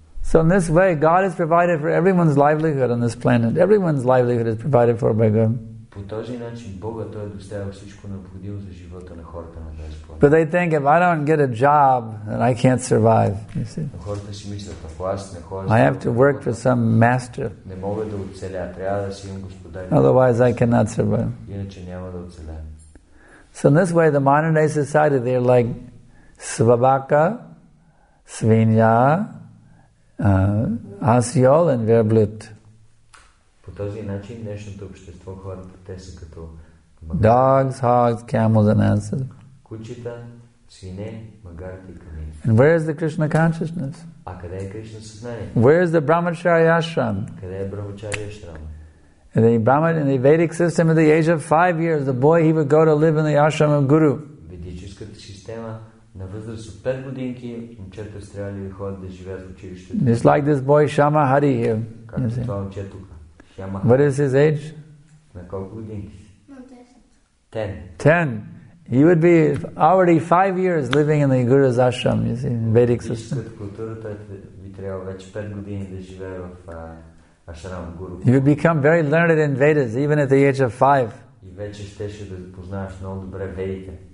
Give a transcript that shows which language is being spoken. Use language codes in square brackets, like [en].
[en] So in this way, God has provided for everyone's livelihood on this planet. Everyone's livelihood is provided for by God. [bg] По този начин Бога той е доставил всичко необходимо за живота на хората на тази планета. [en] But they think if I don't get a job, then I can't survive. You see? [bg] Хората си мислят, ако аз не ходя. [en] I have to work for some master. [bg] Не мога да оцеля, трябва да си имам господар. [en] Otherwise I cannot survive. [bg] Иначе няма да оцелям. [en] So in this way, the modern day society, they're like svabaka, svinja, asiol and verblud. [bg] По този начин днешното общество хората те са като [en] dogs, hogs, camels and asses. [bg] Кучета, свине, магарите и камели. [en] And where is the Krishna consciousness? [bg] А къде е Кришна съзнание? [en] Where is the Brahmacharya ashram? [bg] Къде е Brahmacharya ashram? [en] In the Brahman, in the Vedic system, at the age of 5 years, the boy he would go to live in the ashram of Guru. [bg] Ведическата система на възраст от 5 годинки момчета трябва да ходят да живеят в училището. [en] It's like this boy Shama Hari here. [bg] Както това момче тук. [en] What is his age? [bg] На колко години? [en] 10. 10. He would be already 5 years living in the Guru's ashram, you see, in Vedic system. [bg] В културата би трябвало вече 5 години да живее в ашрам Гуру. [en] He would become very learned in Vedas, even at the age of 5. [bg] И вече щеше да познаваш много добре Ведите.